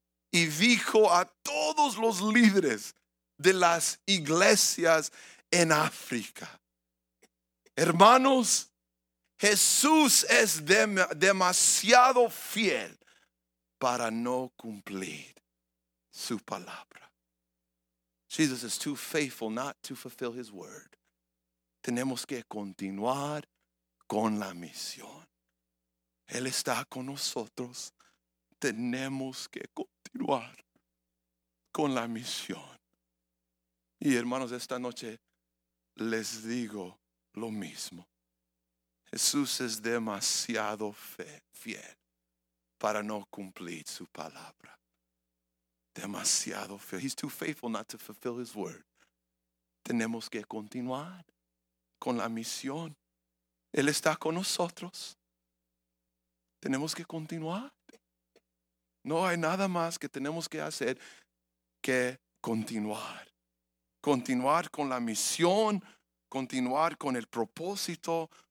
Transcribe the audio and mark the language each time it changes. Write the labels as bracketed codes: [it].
[es] y dijo a todos los líderes de las iglesias en África: hermanos, Jesús es demasiado fiel para no cumplir su palabra. [en] Jesus is too faithful not to fulfill his word. [es] Tenemos que continuar con la misión. Él está con nosotros. Tenemos que continuar con la misión. Y hermanos, esta noche les digo lo mismo. Jesús es demasiado fiel para no cumplir su palabra. Demasiado fiel. [en] He's too faithful not to fulfill his word. [es] Tenemos que continuar con la misión. Él está con nosotros. Tenemos que continuar. No hay nada más que tenemos que hacer que continuar. Continuar con la misión. Continuar con el propósito.